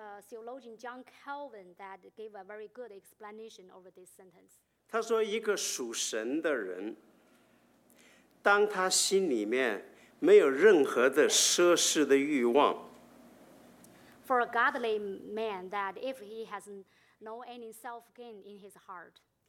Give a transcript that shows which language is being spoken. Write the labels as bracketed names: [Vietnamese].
[English] theologian John Calvin that gave a very good explanation over this sentence. [Chinese] 他说，一个属神的人，当他心里面没有任何的奢侈的欲望。For [English] a godly man, that if he has no any self gain in his heart,